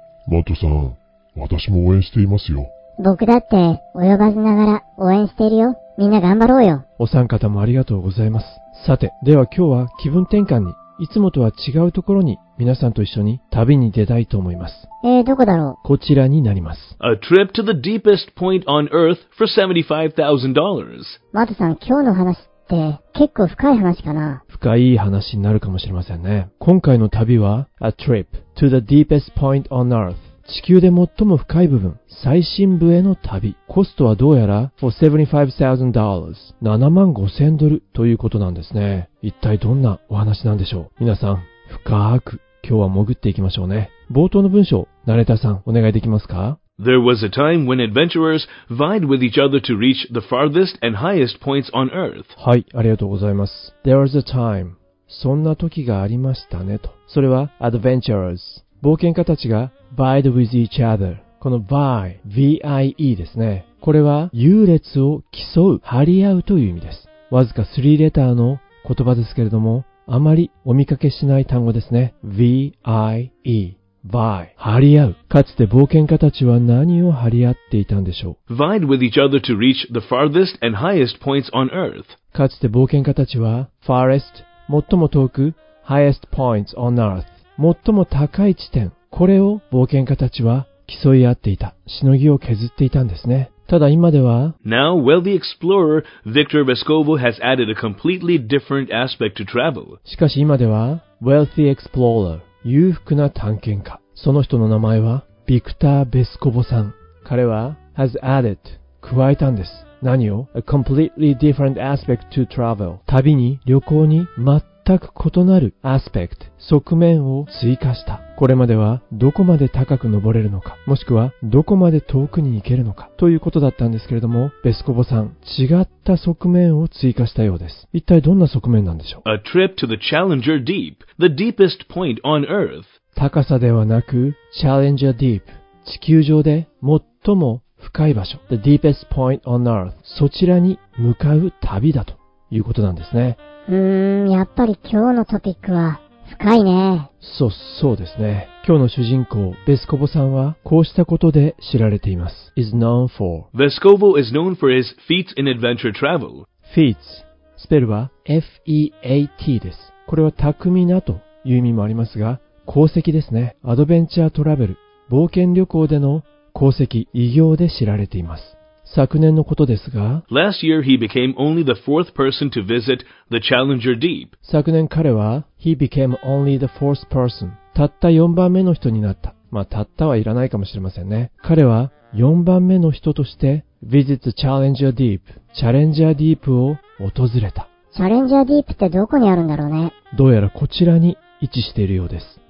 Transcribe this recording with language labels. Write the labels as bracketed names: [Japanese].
[Japanese] マットさん、私も応援していますよ。僕だって泳がせながら応援してるよ。みんな頑張ろうよ。お三方もありがとうございます。さて、では今日は気分転換に、いつもとは違うところに皆さんと一緒に旅に出たいと思います。どこだろう? こちらになります。 [English] A trip to the deepest point on Earth for $75,000. [Japanese] マットさん、今日の話って結構深い話かな? 深い話になるかもしれませんね。今回の旅は、 [English] A trip to the deepest point on Earth。 [Japanese] 地球で最も深い部分、最深部への旅。コストはどうやら、 [English] for $75,000。 [Japanese] $75,000ということなんですね。一体どんなお話なんでしょう。皆さん、深く今日は潜っていきましょうね。冒頭の文章、ナレーターさん、お願いできますか? [English] There was a time when adventurers vied with each other to reach the farthest and highest points on earth. [Japanese] はい、ありがとうございます。 [English] There was a time. [Japanese] そんな時がありましたねと。それは adventurers. 冒険家たちが [English] vied with each other. [Japanese] この vie, V-I-E ですね。これは優劣を競う、張り合うという意味です。わずか3レターの言葉ですけれども、あまりお見かけしない単語ですね。 [English] V-I-E. Vie, [Japanese] 張り合う。かつて冒険家たちは何を張り合っていたんでしょう。 [English] Vied with each other to reach the farthest and highest points on earth. [Japanese] かつて冒険家たちは、farthest, 最も遠く、 [English] highest points on earth, [Japanese] 最も高い地点。これを冒険家たちは競い合っていた。しのぎを削っていたんですね。ただ今では、 [English] Now wealthy explorer Victor Vescovo has added a completely different aspect to travel. [Japanese] しかし今では、 [English] wealthy explorer, [Japanese] 裕福な探検家。その人の名前は、ビクター・ベスコボさん。彼は、 [English] has added, [Japanese] 加えたんです。何を [English] ?a completely different aspect to travel. [Japanese] 旅に、旅行に、全く異なる aspect, 側面を追加した。これまでは、どこまで高く登れるのか、もしくは、どこまで遠くに行けるのか、ということだったんですけれども、ベスコボさん、違った側面を追加したようです。一体どんな側面なんでしょう? [English] A trip to the Challenger Deep, the deepest point on Earth. [Japanese] 高さではなく、Challenger Deep, 地球上で最も深い場所、 [English] the deepest point on Earth, [Japanese] そちらに向かう旅だということなんですね。やっぱり今日のトピックは深いね。そうですね。今日の主人公、ベスコボさんはこうしたことで知られています。 [English] is known for. Vescovo is known for his feats in adventure travel. Feats. [Japanese] スペルは F-E-A-T です。これは巧みなという意味もありますが、功績ですね。アドベンチャートラベル。冒険旅行での功績、偉業で知られています。昨年のことですが、 [English] Last year he became only the fourth person to visit the Challenger Deep. [Japanese] 昨年彼は、 [English] he became only the fourth person. [Japanese] たった4番目の人になった。まあ、たったはいらないかもしれませんね。彼は、4番目の人として、 [English] visit the Challenger Deep. [Japanese] チャレンジャーディープを訪れた。チャレンジャーディープってどこにあるんだろうね。どうやらこちらに位置しているようです。